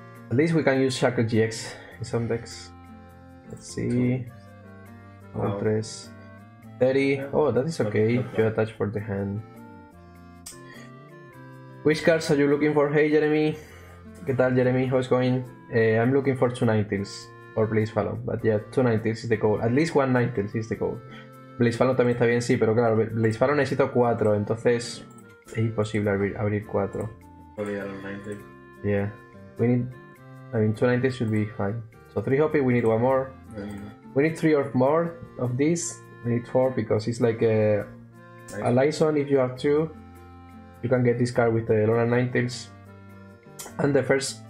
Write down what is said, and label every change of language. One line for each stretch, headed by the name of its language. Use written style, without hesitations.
English: At least we can use Shackle GX in some decks. Let's see. Wow. 3. 30. Yeah. Oh, that is okay. You attach for the hand. Which cards are you looking for? Hey, Jeremy.
Spanish: ¿Qué tal, Jeremy?
English: How's going? I'm looking for 290s. Or Blaze Fallon, but yeah, 290 is the goal. At least 190 is the goal.
Spanish: Blaze Fallon también está bien, sí, pero claro, Blaze Fallon necesito 4, entonces es imposible abrir 4.
English: Probably a 290. Yeah. We need. I mean, 290 should be fine. So 3 Hoppy, we need 1 more. We need 3 or more of this. We need 4 because it's like a Lyson. If you have 2, you can get this card with the Lona Ninetales. And the first.